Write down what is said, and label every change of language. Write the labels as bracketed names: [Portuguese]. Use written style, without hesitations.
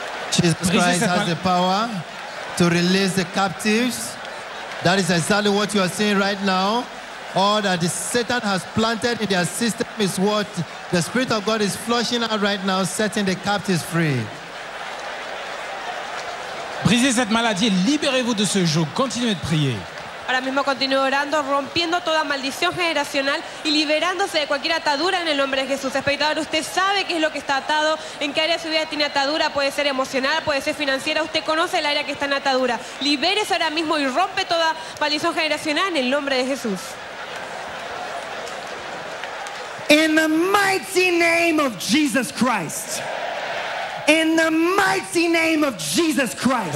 [English] Jesus Christ has the power to release the captives. That is exactly what you are seeing right now. All that the Satan has planted in their system is what the Spirit of God is flushing out right now, setting the captives free. [French] Brisez cette maladie, libérez-vous de ce joug. Continuez de prier. [Spanish] Ahora mismo continúo orando, rompiendo toda maldición generacional y liberándose de cualquier atadura en el nombre de Jesús. Espectador, usted sabe qué es lo que está atado, en qué área de su vida tiene atadura, puede ser emocional, puede ser financiera, usted conoce el área que está en atadura. Libérese ahora mismo y rompe toda maldición generacional en el nombre de Jesús. [English] In the mighty name of Jesus Christ. In the mighty name of Jesus Christ.